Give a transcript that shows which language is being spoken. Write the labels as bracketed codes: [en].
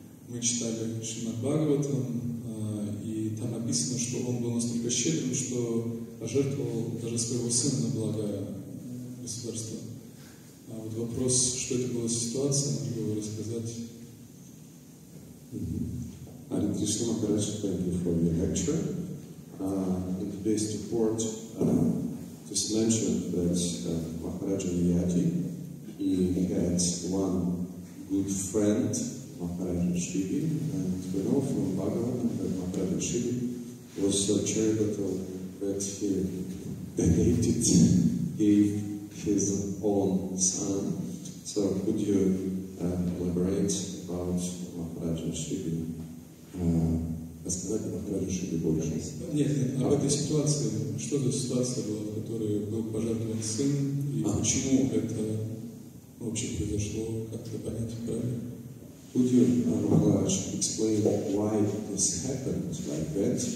[ru] Мы читали Шримад Бхагаватам, и там описано, что он был настолько щедрым, что пожертвовал даже своего сына на благо государства. А вот вопрос, что это была ситуация, могли бы вы рассказать? [en] Hare Krishna Maharaj, thank you for your lecture. In today's report, just mentioned that Maharaja Niyati, he had one good friend, Maharaja Shibi, and we know from Bhagavan that Maharaja Shibi was so charitable that he donated, gave his own son. So could you elaborate about Махараджа Шиби? [ru] Рассказать о Махараджа Шиби больше? Нет, об этой ситуации. Что за ситуация была, в которой был пожертвован сын? И почему это вообще произошло? Как-то понять правильно? [en] Could you, Махарадж, explain why this happened like that?